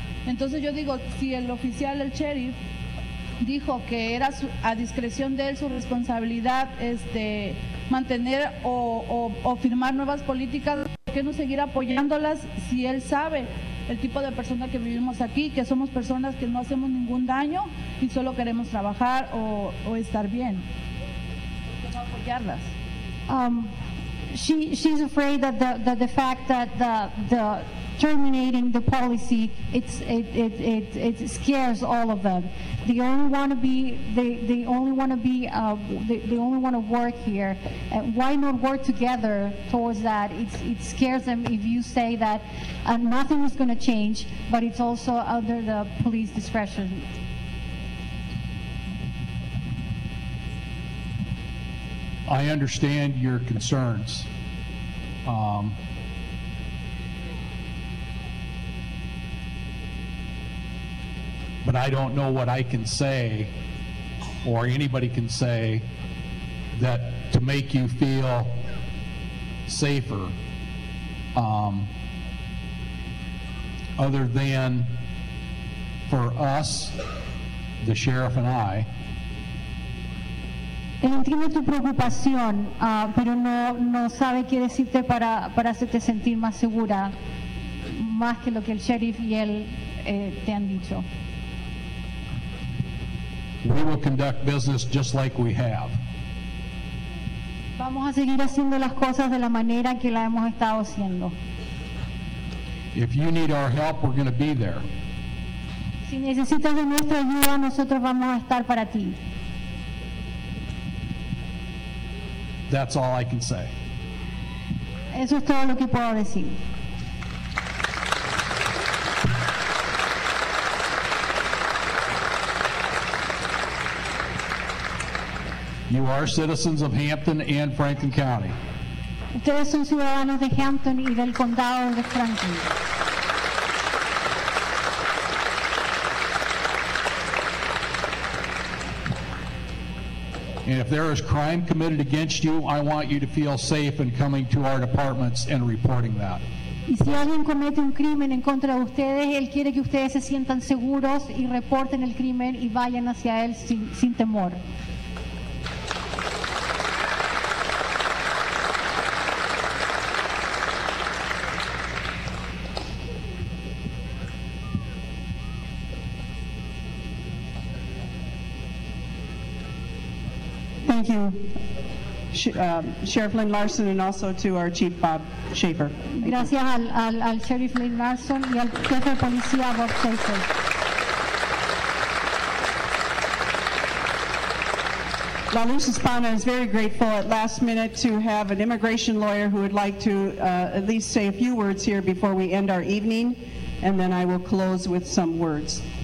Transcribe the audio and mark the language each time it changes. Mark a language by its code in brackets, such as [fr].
[es] Entonces yo digo, si el oficial, el sheriff, dijo que era a discreción de él su responsabilidad mantener o firmar nuevas políticas, ¿por qué no seguir apoyándolas si él sabe el tipo de persona que vivimos aquí, que somos personas que no hacemos ningún daño y solo queremos trabajar o estar bien? ¿Por qué no apoyarlas? [en] She's afraid that the fact that the terminating the policy, it scares all of them. They only want to work here. Why not work together towards that? It scares them if you say that nothing is going to change, but it's also under the police discretion. I understand your concerns. But I don't know what I can say or anybody can say that to make you feel safer, other than for us, the sheriff and I. [es] Entiendo tu preocupación, pero no sabe qué decirte para hacerte sentir más segura, más que lo que el sheriff y él te han dicho. [en] We will conduct business just like we have. [es] Vamos a seguir haciendo las cosas de la manera que la hemos estado haciendo. [en] If you need our help, we're going to be there. [es] Si necesitas de nuestra ayuda, nosotros vamos a estar para ti. [en] That's all I can say. [es] Eso es todo lo que puedo decir. [en] You are citizens of Hampton and Franklin County. [es] Ustedes son ciudadanos de Hampton y del condado de Franklin. [en] And if there is crime committed against you, I want you to feel safe in coming to our departments and reporting that. [es] Y si alguien comete un crimen en contra de ustedes, él quiere que ustedes se sientan seguros y reporten el crimen y vayan hacia él sin temor. [en] Thank you, Sheriff Lynn Larson, and also to our Chief Bob Schaefer. [es] Gracias al Sheriff Lynn Larson y al Jefe de Policía Bob Schaefer. [en] La Luz Hispana is very grateful at last minute to have an immigration lawyer who would like to at least say a few words here before we end our evening, and then I will close with some words.